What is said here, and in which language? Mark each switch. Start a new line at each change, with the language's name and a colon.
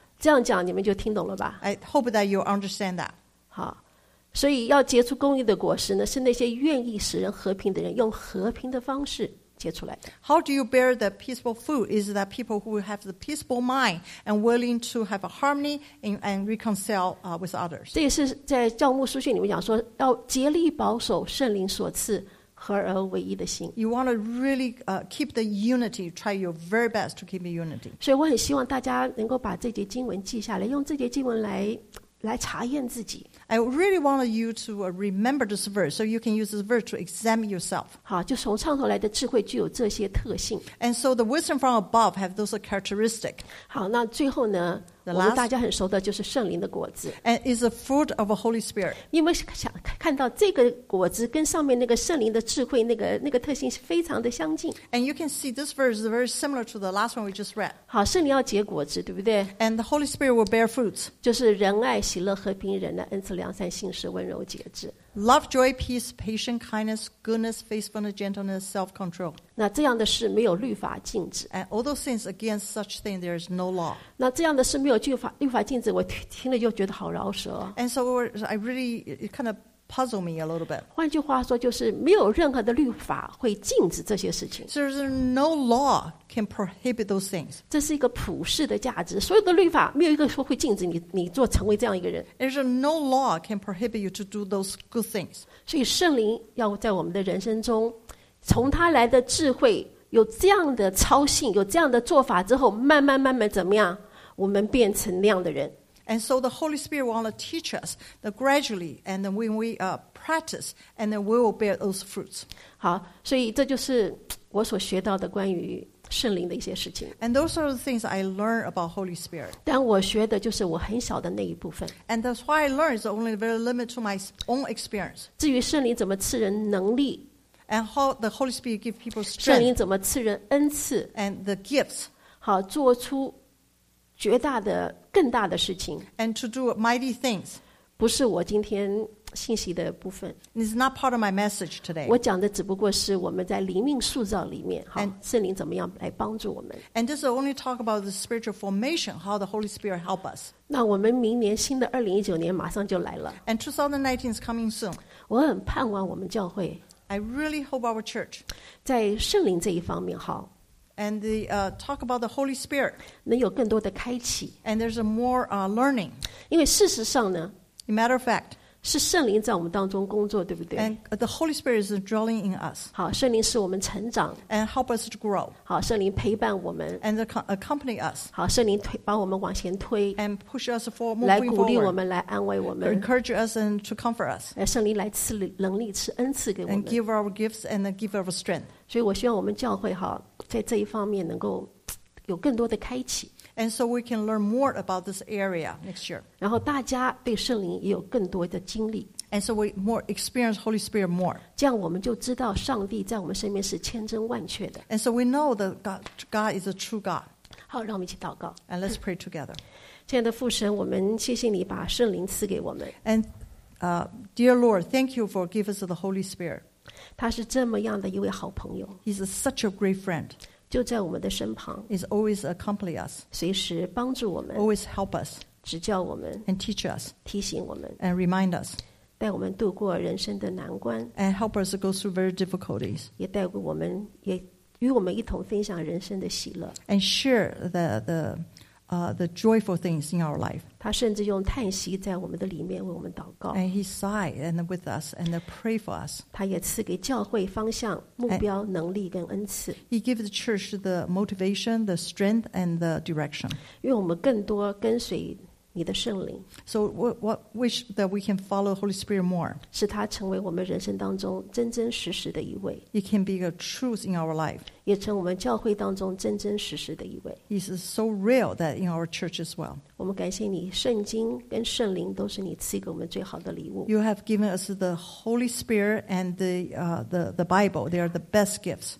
Chinese: 这样讲你们就听懂了吧？
English: I hope that you understand that.
Chinese: 好，所以要结出公义的果实呢，是那些愿意使人和平的人用和平的方式结出来的。
English: How do you bear the peaceful fruit? Is that people who have the peaceful mind and willing to have a harmony and reconcile with others?
Chinese: 这也是在教牧书信里面讲说，要竭力保守圣灵所赐合而为一的心。
English: You want to really keep the unity. Try your very best to keep the unity.
Chinese: 所以我很希望大家能够把这节经文记下来，用这节经文来查验自己。
English: I really want you to remember this verse so you can use this verse to examine yourself.
Chinese: 好，就从上头来的智慧具有这些特性。
English: And so the wisdom from above have those characteristics.
Chinese: 好，那最后呢，我们大家很熟的就是圣灵的果子。
English: And it's a fruit of a Holy Spirit.
Chinese: 你有没有想看到这个果子跟上面那个圣灵的智慧那个特性是非常的相近。
English: And you can see this verse is very similar to the last one we just read.
Chinese: 好，圣灵要结果子，对不对？
English: And the Holy Spirit will bear fruits.
Chinese: 就是仁爱、喜乐、和平、忍耐、恩慈、良善、信实、温柔、节制。
English: Love, joy, peace, patience, kindness, goodness, faithfulness, gentleness, self-control.
Chinese: 那这样的事没有律法禁止。
English: And all those things against such things, there is no law.
Chinese: 那这样的事没有律法禁止，我听了就觉得好饶舌。
English: And so I really, it kind of puzzled me a little bit.
Chinese: 换句话说，就是没有任何的律法会禁止这些事情。
English: So there's no law can prohibit those things.
Chinese: 这是一个普世的价值，所有的律法没有一个说会禁止你做成为这样一个人。
English: There's no law can prohibit you to do those good things.
Chinese: 所以圣灵要在我们的人生中，从他来的智慧，有这样的操性，有这样的做法之后，慢慢慢慢怎么样，我们变成那样的人。
English: And so the Holy Spirit wants to teach us that gradually, and then when we practice, and then we will bear those fruits.
Chinese: 好，所以这就是我所学到的关于圣灵的一些事情。
English: And those are the things I learned about Holy Spirit.
Chinese: 但我学的就是我很小的那一部分。
English: And that's why I learned is only very limited to my own experience.
Chinese: 至于圣灵怎么赐人能力。
English: And how the Holy Spirit gives people strength.
Chinese: 圣灵怎么赐人恩赐。
English: And the gifts.
Chinese: 好，做出绝大的更大的事情。
English: And to do mighty things.
Chinese: 不是我今天信息的部分。
English: It's not part of my message today.
Chinese: 我讲的只不过是我们在灵命塑造里面，好，圣灵怎么样来帮助我们。
English: And this is only talk about the spiritual formation, how the Holy Spirit help us.
Chinese: 那我们明年新的2019年马上就来了。
English: And 2019 is coming soon.
Chinese: 我很盼望我们教会。
English: I really hope our church.
Chinese: 在圣灵这一方面，好。
English: And the talk about the Holy Spirit.
Chinese: 能有更多的开启。
English: And there's a more learning.
Chinese: 因为事实上呢，
English: in matter of fact,
Chinese: 是圣灵在我们当中工作，对不对？
English: And the Holy Spirit is dwelling in us.
Chinese: 好，圣灵使我们成长。
English: And help us to grow.
Chinese: 好，圣灵陪伴我们。
English: And accompany us.
Chinese: 好，圣灵把我们往前推。
English: And push us forward.
Chinese: 来鼓励我们，来安慰我们。
English: Encourage us and to comfort us.
Chinese: 圣灵来赐能力，赐恩赐给我们。
English: And give our gifts and give our strength.
Chinese: 所以我希望我们教会好在这一方面能够有更多的开启。
English: And so we can learn more about this area next year.
Chinese: 然后大家对圣灵也有更多的经历。
English: And so we more experience Holy Spirit more.
Chinese: 这样我们就知道上帝在我们身边是千真万确的。
English: And so we know that God is a true God.
Chinese: 好，让我们一起祷告。
English: And let's pray together.
Chinese: 亲爱的父神，我们谢谢你把圣灵赐给我们。
English: And dear Lord, thank you for giving us the Holy Spirit.
Chinese: 他是这么样的一位好朋友。
English: He's such a great friend.
Chinese: 就在我们的身旁
English: is always accompany us
Chinese: 随时帮助我们
English: always help us
Chinese: 指教我们
English: and teach us
Chinese: 提醒我们
English: and remind us
Chinese: 带我们度过人生的难关
English: and help us go through very difficulties
Chinese: 也带过我们也与我们一同分享人生的喜乐
English: and share the joyful things in our life
Chinese: 他甚至用叹息在我们的里面为我们祷告
English: and he sighed and with us and pray for us
Chinese: 他也赐给教会方向目标能力跟恩赐
English: he gives the church the motivation the strength and the direction
Chinese: 愿我们更多跟随你的圣灵
English: so what wish that we can follow Holy Spirit more
Chinese: 使他成为我们人生当中真真实实的一位
English: he can be a truth in our life
Chinese: 也成我们教会当中真真实实的一位
English: He is so real that in our church as well
Chinese: 我们感谢你圣经跟圣灵都是你赐给我们最好的礼物
English: You have given us the Holy Spirit and the Bible They are the best gifts